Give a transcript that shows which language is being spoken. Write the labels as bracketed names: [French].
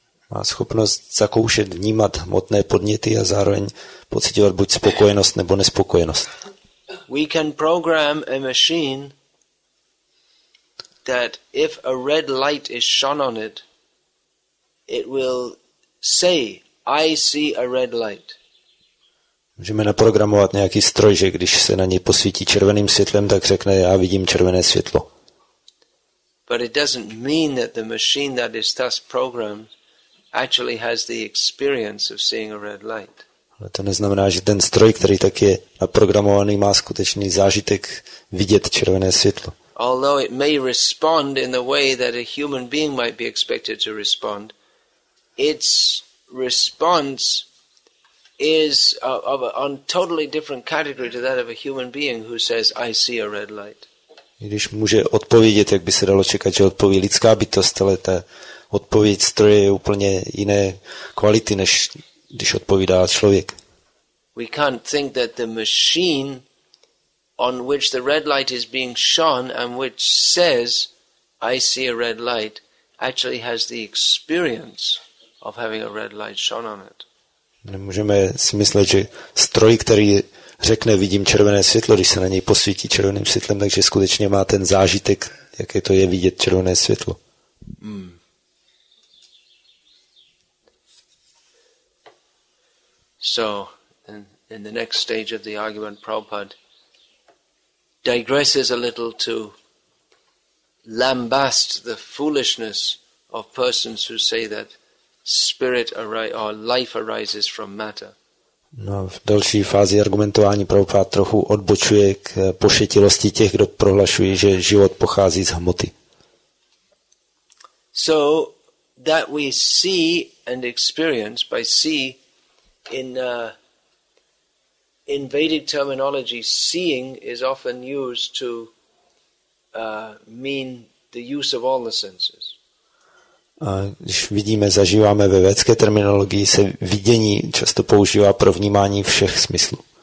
[Czech] Má schopnost zakoušet, vnímat hmotné podněty a zároveň pocitovat buď spokojenost nebo nespokojenost. [English] We can program a machine that if a red light is shone on it, it will say, I see a red light. [Czech] Můžeme naprogramovat nějaký stroj, že když se na něj posvítí červeným světlem, tak řekne, já vidím červené světlo. [English] But it doesn't mean that the machine that is thus programmed actually has the experience of seeing a red light. [Czech] Ale to neznamená, že ten stroj, který tak je naprogramovaný, má skutečný zážitek vidět červené světlo. [English] Although it may respond in the way that a human being might be expected to respond, its response is on totally different category to that of a human being who says, I see a red light. [Czech] Když může odpovědět, jak by se dalo čekat, že odpoví lidská bytost, ale ta odpověď stroje je úplně jiné kvality, než když odpovídá člověk. [English] We can't think that the machine on which the red light is being shone and which says I see a red light actually has the experience of having a red light shone on it. [Czech] Nemůžeme si myslet, že stroj, který řekne, vidím červené světlo, když se na něj posvítí červeným světlem, takže skutečně má ten zážitek, jaké to je vidět červené světlo. [English] So, in the next stage of the argument, Prabhupada digresses a little to lambast the foolishness of persons who say that spirit or life arises from matter. [Czech] No, v další fázi argumentování Prabhupada trochu odbočuje k pošetilosti těch, kdo prohlašují, že život pochází z hmoty. [English] So that we see and experience by see in Vedic terminology, seeing is often used to mean the use of all the senses. [Czech] Když vidíme, zažíváme ve vědecké terminologii, se vidění často používá pro vnímání všech smyslů.